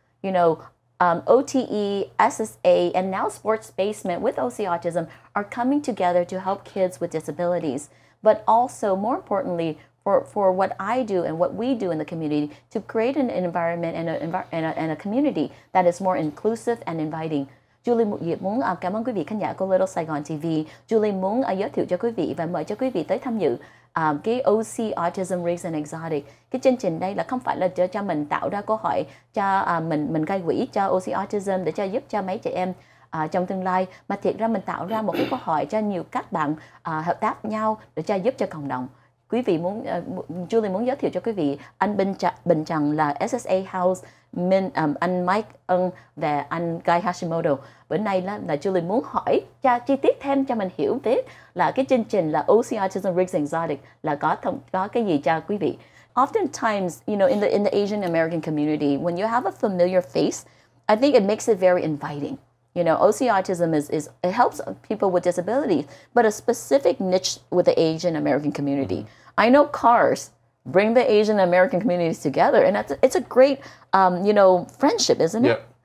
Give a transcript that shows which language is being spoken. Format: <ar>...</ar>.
<en>You know, OTE, SSA, and now Sports Basement with OC Autism are coming together to help kids with disabilities, but also, more importantly, for what I do and what we do in the community to create an environment and a community that is more inclusive and inviting.</en> <vi>Julie muốn cảm ơn quý vị khán giả của Little Saigon TV. Julie muốn giới thiệu cho quý vị và mời cho quý vị tới tham dự cái OC Autism Raised and Exotic. Cái chương trình đây là không phải là cho mình tạo ra cơ hội cho mình gây quỹ cho OC Autism để cho giúp cho mấy trẻ em trong tương lai, mà thiệt ra mình tạo ra một cái cơ hội cho nhiều các bạn hợp tác nhau để cho giúp cho cộng đồng. Quý vị muốn Julie muốn giới thiệu cho quý vị anh Bình Trần là SSA House, anh Mike Ng và anh Guy Hashimoto. Bữa nay là Julie muốn hỏi cho chi tiết thêm cho mình hiểu biết là cái chương trình là OC Autism Rigs Exotic là có cái gì cho quý vị.</vi> <en>Oftentimes, you know, in the Asian American community, when you have a familiar face, I think it makes it very inviting. You know, OC Autism is it helps people with disabilities, but a specific niche with the Asian American community. Mm-hmm. I know cars bring the Asian American communities together, and it's a great, you know, friendship, isn't it?</en>